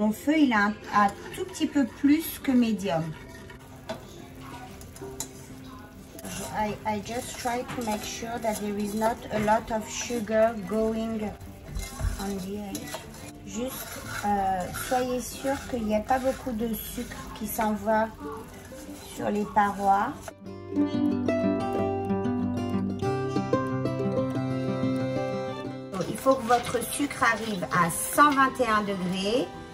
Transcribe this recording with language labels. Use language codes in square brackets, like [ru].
[fr] Mon feu, il a un tout petit peu plus que medium. [en] I just try to make sure that there is not a lot of sugar going on the edge. [fr] Juste, soyez sûr qu'il n'y a pas beaucoup de sucre qui s'en va sur les parois. Il faut que votre sucre arrive à 121 degrés.